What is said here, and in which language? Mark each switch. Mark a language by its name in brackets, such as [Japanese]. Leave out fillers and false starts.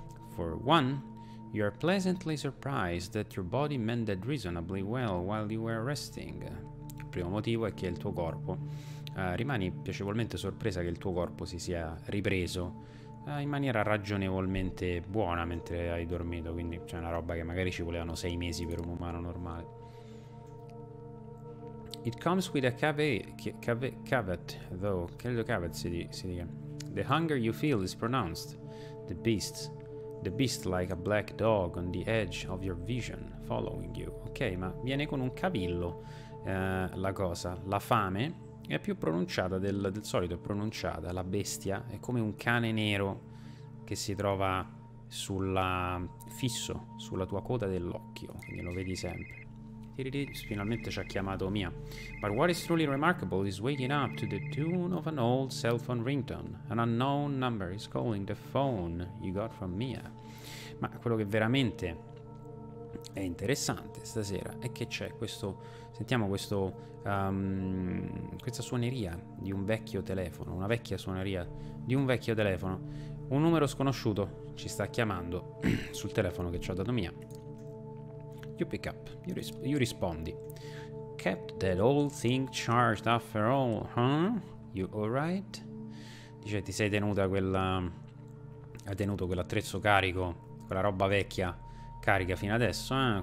[English] For one, you are pleasantly surprised that your body mended reasonably well while you were resting. [Italian] Il primo motivo è che il tuo corpo rimani piacevolmente sorpresa che il tuo corpo si sia ripreso in maniera ragionevolmente buona mentre hai dormito, quindi c'è una roba che magari ci volevano 6 mesi per un umano normale. [English] It comes with a caveat, though, [Italian] credo caveat si dica. [English] The hunger you feel is pronounced. The beast like a black dog on the edge of your vision, following you. [Italian] Ok, ma viene con un cavillo la cosa. La fame è più pronunciata del solito, è pronunciata. La bestia è come un cane nero che si trova fisso sulla tua coda dell'occhio. Quindi lo vedi sempre. Finalmente ci ha chiamato Mia. [English] But what is truly remarkable is waking up to the tune of an old cell phone ringtone. An unknown number is calling the phone you got from Mia. [Italian] Ma quello che veramente è interessante stasera è che c'è questo, sentiamo questo questa suoneria di un vecchio telefono, una vecchia suoneria di un vecchio telefono. Un numero sconosciuto ci sta chiamando sul telefono che ci ha dato Mia. [English] You pick up, you [Italian] rispondi. [English] Kept that old thing charged after all, huh? You alright? [Italian] Dice, ti sei tenuta quella... Hai tenuto quell'attrezzo carico, quella roba vecchia carica fino adesso, eh?